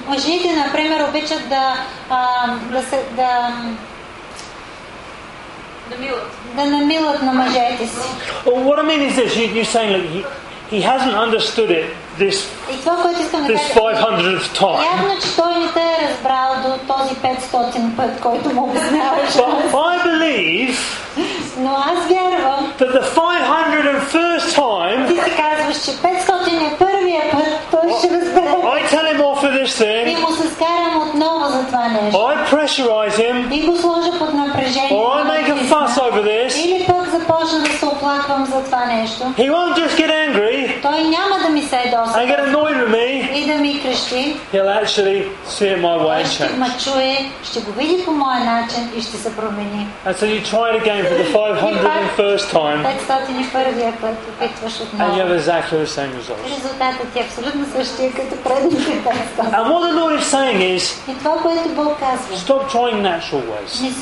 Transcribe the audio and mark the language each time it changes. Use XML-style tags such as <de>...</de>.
<bg>Мъжите, например, обичат да намилат на мъжете си.</bg> <en>Well, what I mean is this, you're saying that he hasn't understood it this 500th time.</en> <bg>Явно, че той не те е разбрал до този 500 път, който му обясняваш.</bg> <en>I believe.</en> <bg>Но аз вярвам.</bg> <en>That the 501st time.</en> <bg>Ти си казваш, че 500 е първия път, той ще разбере.</bg> <en>I tell him off for this thing.</en> <bg>И му се скарам отново за това нещо.</bg> <en>I pressurize him.</en> <bg>И го сложа под напрежение.</bg> <en>Or I make a fuss over this.</en> <bg>Или пък започна да се оплаквам за това нещо.</bg> <en>He won't just get angry.</en> <bg>Той няма да ми се доста.</bg> <en>And get annoyed with me.</en> <bg>И да ми крещи.</bg> <en>He'll actually see it my way.</en> <bg>Ще ме чуе, ще го види по моя начин и ще се промени.</bg> <en>And so you try it again for the 501st time. And you have exactly the same results. And what the Lord is saying is, stop trying natural ways.</en>